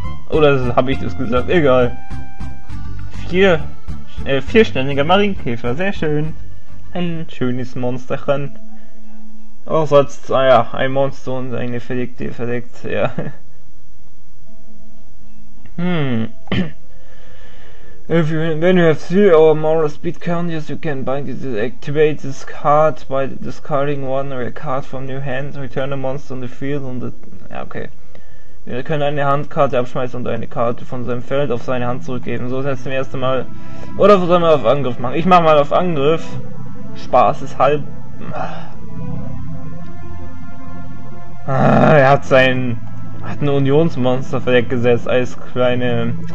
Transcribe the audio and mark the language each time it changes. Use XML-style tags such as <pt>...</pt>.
<de>Oder habe ich das gesagt? Egal. Vierständiger Marienkäfer, sehr schön. Ein schönes Monsterchen. Auch sonst, naja, ein Monster und eine verdeckte, ja.</de> <en>If you when you have 3 or more speed counters, you can bind this activate this card by discarding one or a card from your hand, return a monster on the field on the</en> <de>ja okay. Wir können eine Handkarte abschmeißen und eine Karte von seinem Feld auf seine Hand zurückgeben. So ist jetzt zum ersten Mal. Oder sollen wir auf Angriff machen? Ich mach mal auf Angriff. Spaß ist halb. Ah, er hat seinen. Hat ein Unionsmonster verdeckt gesetzt als kleine.</de>